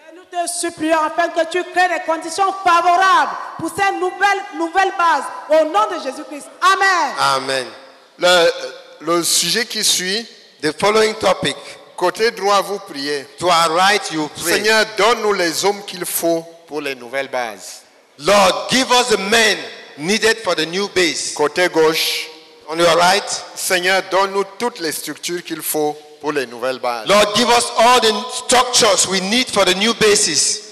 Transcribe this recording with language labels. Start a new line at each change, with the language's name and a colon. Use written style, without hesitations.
French: Te supplions afin que tu crées des conditions favorables pour ces nouvelles bases au nom de Jésus-Christ. Amen. Amen. Le sujet qui suit,
English: the following topic.
French: Côté droit, vous priez.
English: To our right, you pray.
French: Seigneur, donne-nous les hommes qu'il faut pour les nouvelles bases.
English: Lord, give us the men needed for the new base.
French: Côté gauche,
English: on your right,
French: Seigneur, donne-nous toutes les structures qu'il faut pour les nouvelles bases.
English: Lord, give us all the structures we need for the new basis.